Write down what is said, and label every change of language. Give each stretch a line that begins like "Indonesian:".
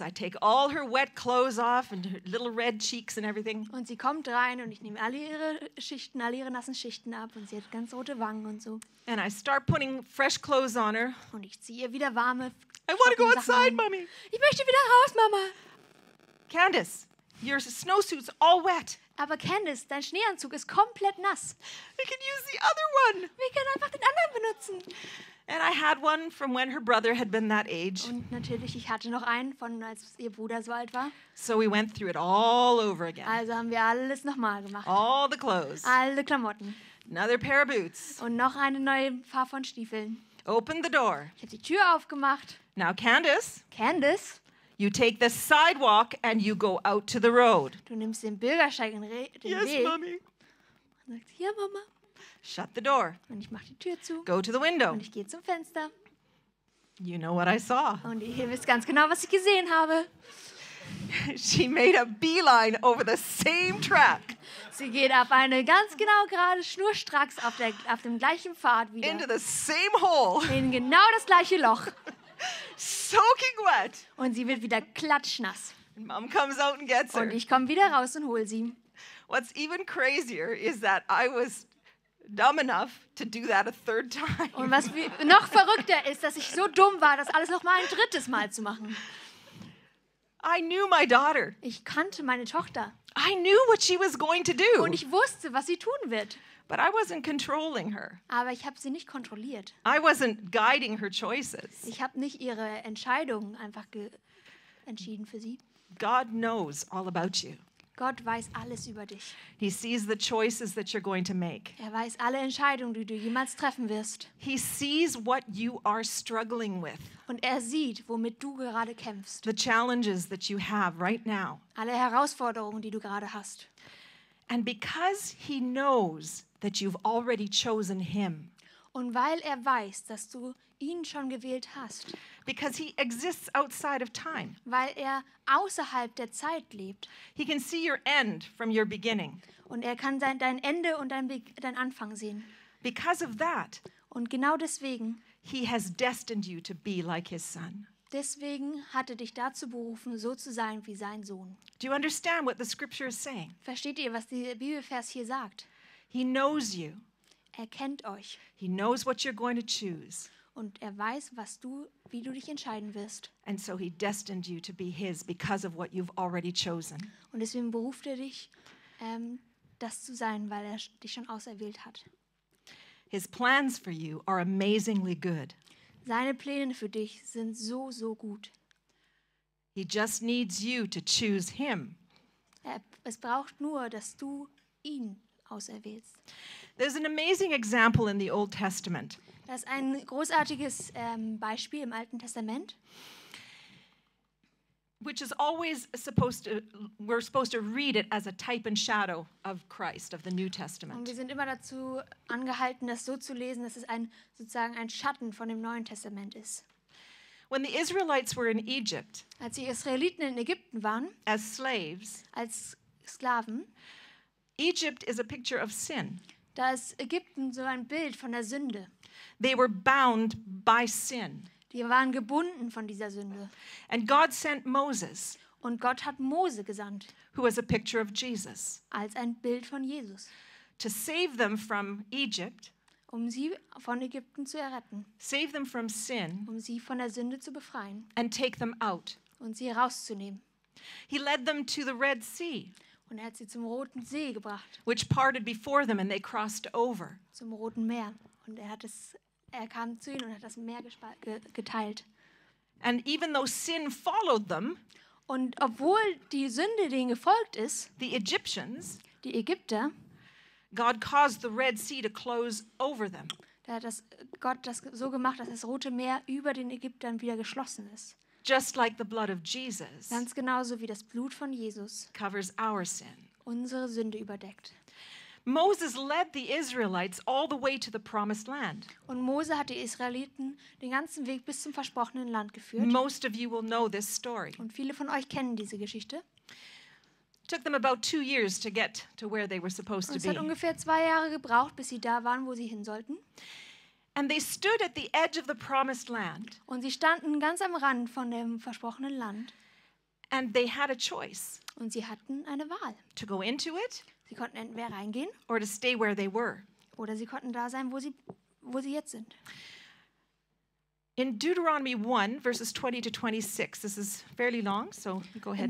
English: I take all her wet clothes off and her little red cheeks and everything.
German: Und sie kommt rein und ich nehme alle ihre nassen Schichten ab und sie hat ganz rote Wangen und so.
English: And I start putting fresh clothes on her.
German: Und ich ziehe ihr wieder warme.
English: I want to go outside, Mommy.
German: Ich möchte wieder raus, Mama.
English: Candace, your snowsuit's all wet.
German: Aber Candace, dein Schneeanzug ist komplett nass.
English: We can use the other one.
German: Wir können einfach den anderen benutzen.
English: And I had one from when her brother had been that age.
German: Und natürlich, ich hatte noch einen von als ihr Bruder so alt war.
English: So we went through it all over again.
German: Also haben wir alles nochmal gemacht.
English: All the clothes.
German: Alle Klamotten.
English: Another pair of boots.
German: Und noch eine neue Paar von Stiefeln.
English: Open the door.
German: Ich habe die Tür aufgemacht.
English: Now Candace.
German: Candace.
English: You take the sidewalk and you go out to the road.
German: Du nimmst den Bürgersteig in den
English: yes,
German: Weg.
English: Yes, Mommy.
German: Und sagt, ja, Mama.
English: Shut the door.
German: Und ich mach die Tür zu.
English: Go to the window.
German: Und ich gehe zum Fenster.
English: You know what I saw.
German: Und ihr wisst ganz genau, was ich gesehen habe.
English: She made a beeline over the same track.
German: Sie geht auf eine ganz genau gerade schnurstracks auf dem gleichen Pfad wieder.
English: Into the same hole.
German: In genau das gleiche Loch.
English: Soaking wet.
German: Und sie wird wieder klatschnass.
English: And Mom comes out and gets her.
German: Und ich komme wieder raus und hole sie.
English: What's even crazier is that I was dumb enough to do that a third time.
German: Und was noch verrückter ist, dass ich so dumm war, das alles noch mal ein drittes Mal zu machen.
English: I knew my daughter.
German: Ich kannte meine Tochter.
English: I knew what she was going to do.
German: Und ich wusste, was sie tun wird.
English: But I wasn't controlling her.
German: Aber ich habe sie nicht kontrolliert.
English: I wasn't guiding her choices.
German: Ich habe nicht ihre Entscheidung einfach entschieden für sie.
English: God knows all about you.
German: Gott weiß alles über dich.
English: He sees the choices that you're going to make.
German: Er weiß alle Entscheidungen, die du jemals treffen wirst.
English: He sees what you are struggling with.
German: Und er sieht, womit du gerade kämpfst.
English: The challenges that you have right now.
German: Alle Herausforderungen, die du gerade hast.
English: And because he knows that you've already chosen him.
German: Und weil er weiß, dass du ihn schon gewählt hast.
English: Because he exists outside of time.
German: Weil er außerhalb der Zeit lebt.
English: He can see your end from your beginning.
German: Und er kann dein Ende und dein Anfang sehen.
English: Because of that.
German: Und genau deswegen.
English: He has destined you to be like his son.
German: Deswegen hat er dich dazu berufen, so zu sein wie sein Sohn.
English: Do you understand what the scripture is saying?
German: Versteht ihr, was dieser Bibelvers hier sagt?
English: He knows you.
German: Er kennt euch.
English: He knows what you're going to choose.
German: Und er weiß, was du, wie du dich entscheiden wirst.
English: And so he destined you to be his because of what you've already chosen.
German: Und deswegen beruft er dich, das zu sein, weil er dich schon auserwählt hat.
English: His plans for you are amazingly good.
German: Seine Pläne für dich sind so, so gut.
English: He just needs you to choose him.
German: Es braucht nur, dass du ihn auserwählst.
English: There's an amazing example in the Old Testament.
German: Das ist ein großartiges Beispiel im Alten Testament.
English: Which is always supposed to, we're supposed to read it as a type and shadow of Christ, of the New Testament.
German: Und wir sind immer dazu angehalten, das so zu lesen, dass es sozusagen ein Schatten von dem Neuen Testament ist.
English: When the Israelites were in Egypt,
German: als die Israeliten in Ägypten waren,
English: as slaves,
German: als Sklaven,
English: Egypt is a picture of sin.
German: Da ist Ägypten so ein Bild von der Sünde.
English: They were bound by sin.
German: Die waren gebunden von dieser Sünde.
English: And God sent Moses.
German: Und Gott hat Mose gesandt.
English: Who was a picture of Jesus.
German: Als ein Bild von Jesus.
English: To save them from Egypt.
German: Um sie von Ägypten zu erretten.
English: Save them from sin.
German: Um sie von der Sünde zu befreien.
English: And take them out.
German: Und sie rauszunehmen.
English: He led them to the Red Sea.
German: Und er hat sie zum Roten See gebracht.
English: Which parted before them and they crossed over.
German: Zum Roten Meer. Und er hat es Er kam zu ihnen und hat das Meer geteilt.
English: And even though sin followed them,
German: und obwohl die Sünde denen gefolgt ist,
English: the Egyptians,
German: die Ägypter,
English: God caused the Red Sea to close over them.
German: Da hat Gott das so gemacht, dass das Rote Meer über den Ägyptern wieder geschlossen ist.
English: just like the blood of Jesus,
German: ganz genauso wie das Blut von Jesus,
English: covers our sin,
German: unsere Sünde überdeckt.
English: Moses led the Israelites all the way to the promised land.
German: Und Mose hat die Israeliten den ganzen Weg bis zum versprochenen Land geführt.
English: Most of you will know this story.
German: Und viele von euch kennen diese Geschichte.
English: It took them about 2 years to get to where they were supposed to be.
German: Es hat ungefähr 2 Jahre gebraucht, bis sie da waren, wo sie hin sollten.
English: And they stood at the edge of the promised land.
German: Und sie standen ganz am Rand von dem versprochenen Land.
English: And they had a choice.
German: Und sie hatten eine Wahl.
English: To go into it.
German: Sie konnten entweder reingehen.
English: Or to stay where they were.
German: Oder sie konnten da sein, wo sie jetzt sind.
English: In Deuteronomy 1, verses 20 to 26, this is fairly long, so go ahead.